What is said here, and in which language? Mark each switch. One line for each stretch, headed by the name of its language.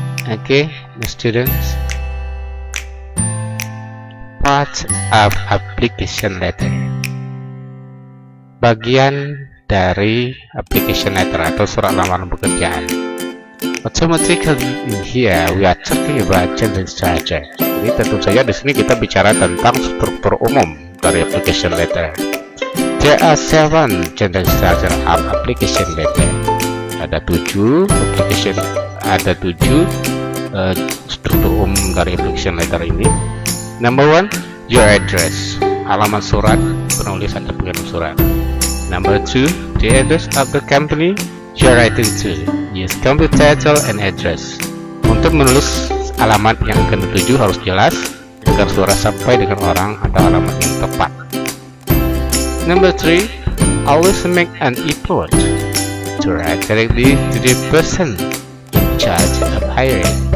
English: Oke, my students.
Indonesian: Part of application letter. Bagian dari application letter atau surat lamaran pekerjaan.
English: Automatically in here we are talking about job instruction.
Indonesian: Jadi tentu saja di sini kita bicara tentang struktur umum dari application letter.
English: There are 7 job instruction of application letter.
Indonesian: Ada 7 application, ada 7 struktur umum dari application letter ini. Number 1, your address, alamat surat, penulisan dan pengirim surat.
English: Number 2, the address of the company you are writing to. Use complete title and address.
Indonesian: Untuk menulis alamat yang akan dituju harus jelas agar surat sampai dengan orang atau alamat yang tepat.
English: Number 3, always make an effort to write directly to the person in charge of hiring.